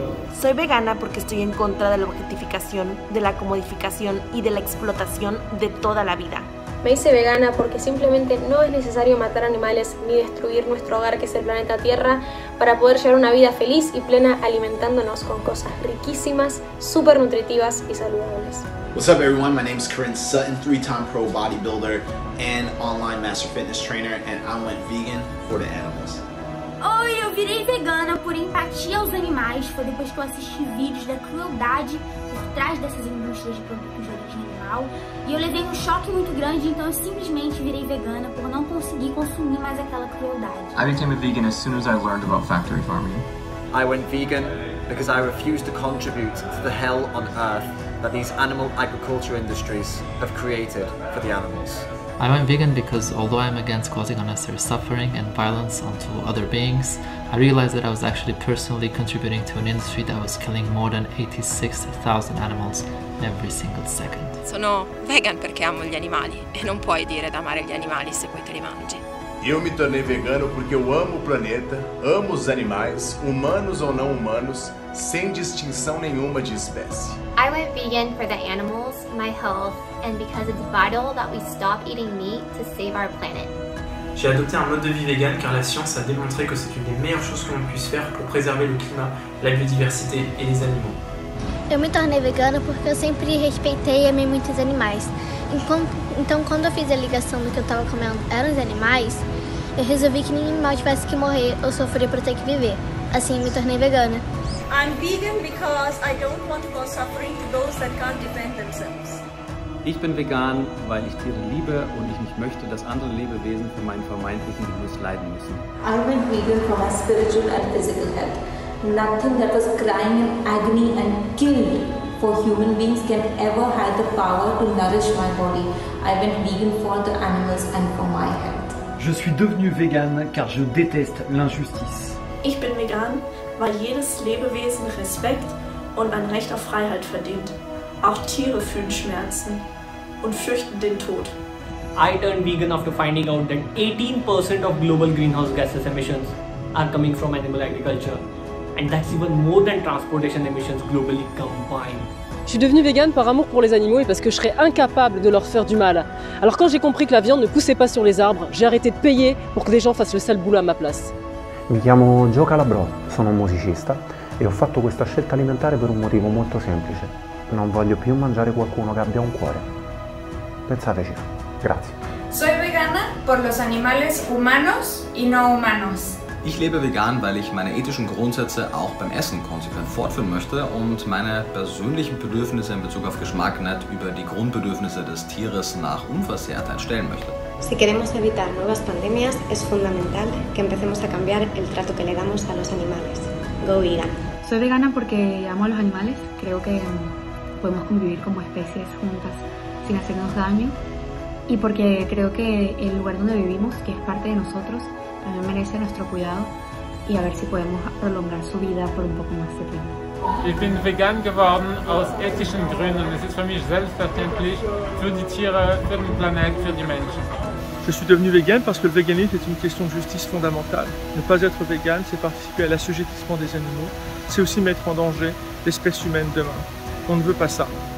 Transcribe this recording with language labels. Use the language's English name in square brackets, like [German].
[Spanish] Soy vegana porque estoy en contra de la objetificación, de la comodificación y de la explotación de toda la vida. Me hice vegana porque simplemente no es necesario matar animales ni destruir nuestro hogar, que es el planeta Tierra, para poder llevar una vida feliz y plena alimentándonos con cosas riquísimas, súper nutritivas y saludables. [English] What's up, everyone? My name is Corinne Sutton, 3-time pro bodybuilder and online master fitness trainer, and I went vegan for the animals. [Portuguese] Oi, eu virei vegana por empatia aos animais, foi depois que eu assisti vídeos da crueldade por trás dessas indústrias de produtos de origem animal, e eu levei um choque muito grande, então eu simplesmente virei vegana por não conseguir consumir mais aquela crueldade. [English] I became a vegan as soon as I learned about factory farming. I went vegan because I refused to contribute to the hell on earth that these animal agriculture industries have created for the animals. I went vegan because although I am against causing unnecessary suffering and violence onto other beings, I realized that I was actually personally contributing to an industry that was killing more than 86,000 animals every single second. [Italian] Sono vegan perché amo gli animali e non puoi dire di amare gli animali se poi te li mangi. Io mi tornei vegano perché amo il planeta, amo gli animali, umanos o non umanos, [Portuguese] sem distinção nenhuma de espécie. [English] I went vegan for the animals, my health, and because it's vital that we stop eating meat to save our planet. [French] J'ai adopté un mode de vie vegan car la science a démontré que c'est une des meilleures choses que l'on puisse faire pour préserver le climat, la biodiversité et les animaux. [Portuguese] Eu me tornei vegana porque eu sempre respeitei e amei muitos animais. Então quando eu fiz a ligação do que eu estava comendo eram os animais, eu resolvi que nenhum animal tivesse que morrer ou sofrer para ter que viver. Assim eu me tornei vegana. [English] I'm vegan because I don't want to cause suffering to those that can't defend themselves. [German] Ich bin vegan, weil ich Tiere liebe und ich nicht möchte, dass andere Lebewesen für meinen vermeintlichen Genuss leiden müssen. [English] I went vegan for my spiritual and physical health. Nothing that was crying in agony and killed for human beings can ever have the power to nourish my body. I went vegan for the animals and for my health. [French] Je suis devenu vegan, car je déteste l'injustice. [German] Ich bin vegan, weil jedes Lebewesen Respekt und ein Recht auf Freiheit verdient. Auch Tiere fühlen Schmerzen und fürchten den Tod. [English] I turned vegan after finding out that 18% of global greenhouse gases emissions are coming from animal agriculture. And that's even more than transportation emissions globally combined. [French] Je suis devenue végane par amour pour les animaux et parce que je serais incapable de leur faire du mal. Alors quand j'ai compris que la viande ne poussait pas sur les arbres, j'ai arrêté de payer pour que des gens fassent le sale boulot à ma place. [Italian] Mi chiamo Joe Calabro, sono un musicista e ho fatto questa scelta alimentare per un motivo molto semplice. Non voglio più mangiare qualcuno che abbia un cuore. Pensateci. Grazie. [Spanish] Soy vegana por los animales humanos y no humanos. [German] Ich lebe vegan, weil ich meine ethischen Grundsätze auch beim Essen konsequent fortführen möchte und meine persönlichen Bedürfnisse in Bezug auf Geschmack nicht über die Grundbedürfnisse des Tieres nach Unversehrtheit stellen möchte. [Spanish] Si queremos evitar nuevas pandemias, es fundamental que empecemos a cambiar el trato que le damos a los animales. [English] Go vegan. [Spanish] Soy vegana porque amo a los animales. Creo que podemos convivir como especies juntas sin hacernos daño. Y porque creo que el lugar donde vivimos, que es parte de nosotros, también merece nuestro cuidado y a ver si podemos prolongar su vida por un poco más de tiempo. [German] Ich bin vegan geworden aus ethischen Gründen. Es ist für mich selbstverständlich für die Tiere, für den Planet, für die Menschen. [French] Je suis devenu vegan parce que le véganisme est une question de justice fondamentale. Ne pas être vegan, c'est participer à l'assujettissement des animaux. C'est aussi mettre en danger l'espèce humaine demain. On ne veut pas ça.